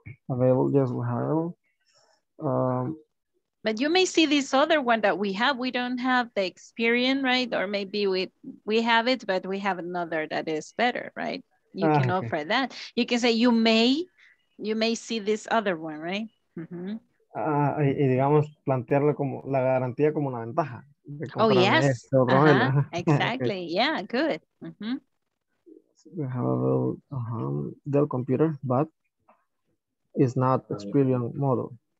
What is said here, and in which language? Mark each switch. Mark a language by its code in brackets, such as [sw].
[en] Available, yes, we have available. But you may see this other one that we have. We don't have the Experian, right? Or maybe we have it, but we have another that is better, right? You can offer that. You can say you may see this other one, right? Mm-hmm. [es] Y digamos plantearlo como la garantía como una ventaja. [en] Oh yes. Uh-huh. Exactly. Yeah. Good. Mm-hmm. We have a little, Dell computer, but it's not Experian model.